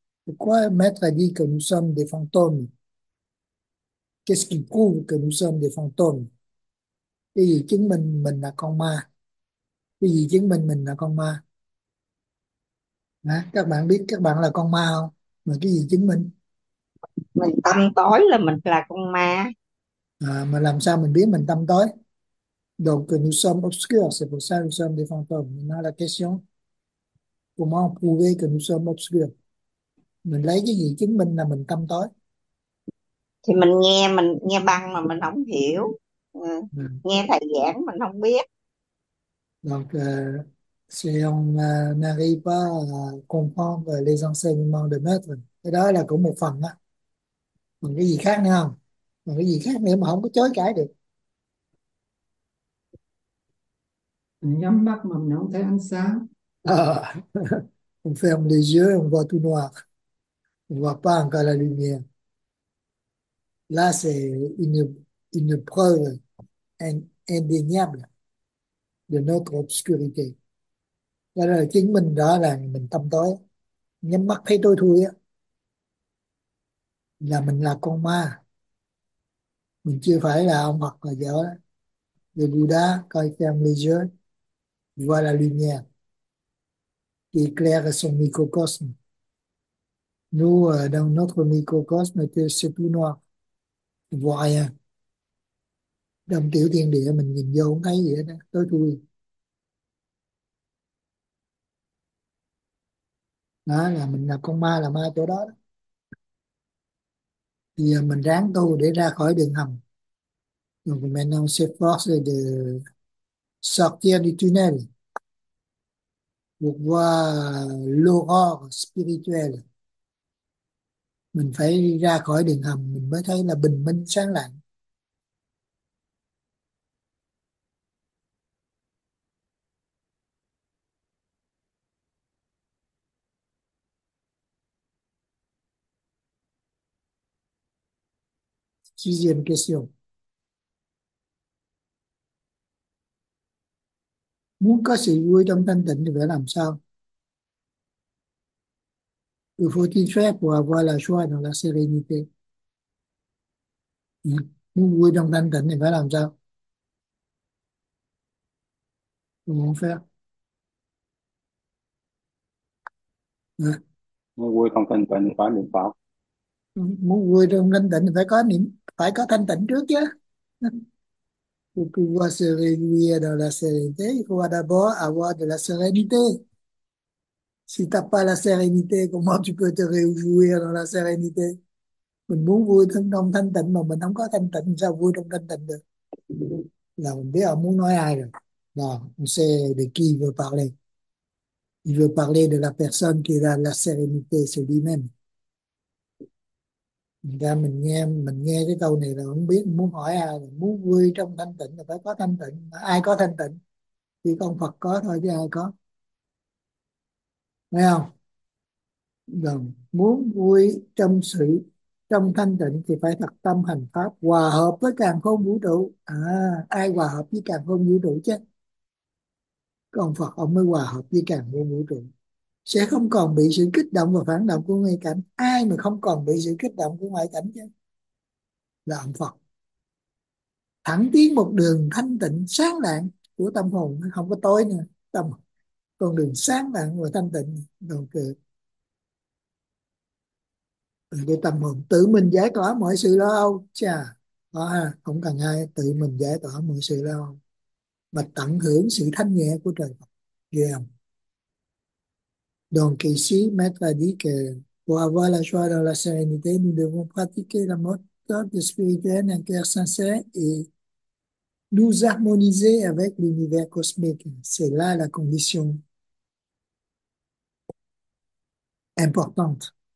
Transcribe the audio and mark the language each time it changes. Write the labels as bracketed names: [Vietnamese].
[French] Pourquoi maître a dit que nous sommes des fantômes? Qu'est-ce qui prouve que nous sommes des fantômes? [Vietnamese] Cái gì chứng minh mình là con ma? Cái gì chứng minh mình là con ma? Hả? Các bạn biết các bạn là con ma không? Mà cái gì chứng minh? Mình tâm tối là mình là con ma. À, mà làm sao mình biết mình tâm tối? [French] Donc nous sommes obscurs, c'est pour ça que nous sommes des fantômes. Maintenant la question, comment prouver que nous sommes obscurs? [Vietnamese] Mình lấy cái gì chứng minh là mình tâm tối? Thì mình nghe băng mà mình không hiểu. Nghe thầy giảng mình không biết. [French] Donc si on n'arrive pas à comprendre les enseignements de maître, [Vietnamese] cái đó là cũng một phần á. Còn cái gì khác nữa không? Còn cái gì khác nữa mà không có chối cãi được? Mình nhắm mắt mà mình không thấy ánh sáng. [French] On ferme les yeux, on voit tout noir. On voit pas encore la lumière. Là, c'est une preuve indéniable de notre obscurité. [Vietnamese] Là, chính mình đó là mình tâm tối. Nhắm mắt thấy tôi thôi á. Là mình là con ma. Mình chưa phải là ông Phật là vợ. [French] Le Buddha, quand il ferme les yeux, il voit la lumière qui éclaire son microcosme. Nous, dans notre microcosme, c'est tout noir. Je ne vois rien. Dans le [Vietnamese] thiên địa, mình nhìn vô, không thấy gì hết. Tối thui. Đó là mình là con ma, là ma chỗ đó. Thì mình ráng tu để ra khỏi đường hầm. [French] Donc maintenant, on s'efforce de sortir du tunnel pour voir l'aurore spirituelle. [Vietnamese] Mình phải đi ra khỏi đường hầm, mình mới thấy là bình minh sáng lạn. [French] Sixième question. [Vietnamese] Muốn có sự vui trong thanh tịnh thì phải làm sao? [French] Il faut y faire pour avoir la joie dans la sérénité. [Vietnamese] Muốn vui trong thanh tịnh thì phải làm sao? [French] Comment faire? [Vietnamese] Muốn vui trong thanh tịnh thì phải niệm Phật. Muốn vui trong thanh tịnh thì phải có thanh tịnh trước chứ. [French] Pour pouvoir se réjouir dans la sérénité, il faut d'abord avoir de la sérénité. Si tu n'as pas la sérénité, comment tu peux te réjouir dans la sérénité? [Vietnamese] Mình muốn vui trong thanh tịnh mà mình không có thanh tịnh, sao vui trong thanh tịnh được? Là mình biết ông muốn nói ai rồi. [French] Là, on sait de qui il veut parler. Il veut parler de la personne qui a la sérénité, c'est lui-même. [Vietnamese] Ra mình nghe cái câu này là không biết muốn hỏi ai, là muốn vui trong thanh tịnh là phải có thanh tịnh. Mà ai có thanh tịnh? Chỉ con Phật có thôi chứ ai có. Thấy không? Rồi, muốn vui trong sự trong thanh tịnh thì phải thật tâm hành pháp hòa hợp với càn khôn vũ trụ. Ai hòa hợp với càn khôn vũ trụ chứ? Còn Phật ông mới hòa hợp với càn khôn vũ trụ, sẽ không còn bị sự kích động và phản động của ngoại cảnh. Ai mà không còn bị sự kích động của ngoại cảnh chứ? Là ông Phật thẳng tiến một đường thanh tịnh sáng lạng của tâm hồn, không có tối nữa, tâm con đường sáng lạng và thanh tịnh đầu cực để tâm hồn tự mình giải tỏa mọi sự lo âu. Chà, không cần ai, tự mình giải tỏa mọi sự lo âu mà tận hưởng sự thanh nhẹ của trời Phật. Ghê không? [French] Donc ici, maître a dit que pour avoir la joie dans la sérénité, nous devons pratiquer la mode de spirituel un cœur sincère et nous harmoniser avec l'univers cosmique. C'est là la condition importante.